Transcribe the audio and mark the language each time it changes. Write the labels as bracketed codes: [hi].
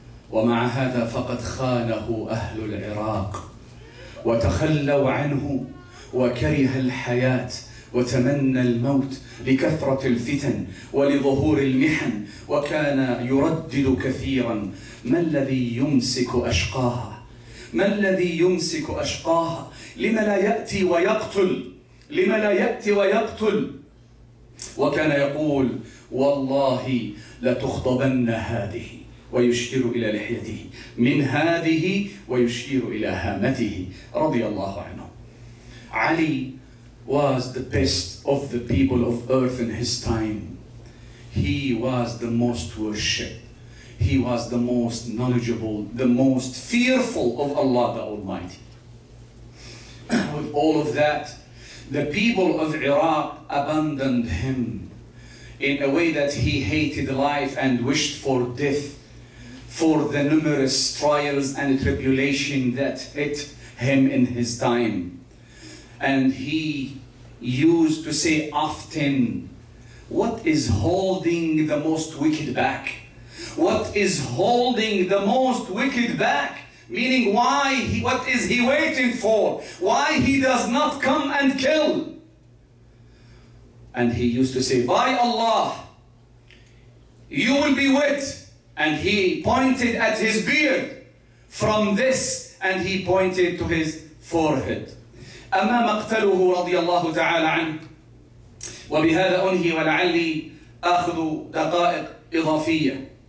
[ar] ومع هذا فقد خانه أهل العراق وتخلوا عنه وكره الحياة وتمنى الموت لكثرة الفتن ولظهور المحن، وكان يردد كثيرا ما الذي يمسك أشقاها، ما الذي يمسك أشقاها، لما لا يأتي ويقتل، لما لا يأتي ويقتل. وكان يقول والله لتخطبن هذه، ويشير إلى لحيته، من هذه ويشير إلى هامته رضي الله عنه. [en] Ali was the best of the people of earth in his time. He was the most worshipped. He was the most knowledgeable, the most fearful of Allah the Almighty. With all of that, the people of Iraq abandoned him in a way that he hated life and wished for death for the numerous trials and tribulation that hit him in his time. And he used to say often, what is holding the most wicked back? What is holding the most wicked back? Meaning, what is he waiting for? Why he does not come and kill? And he used to say, by Allah, you will be wit. And he pointed at his beard from this, and he pointed to his forehead. [ar] أما مقتله رضي الله تعالى عنه وبهذا أنهي ولعلي أخذ دقائق إضافية.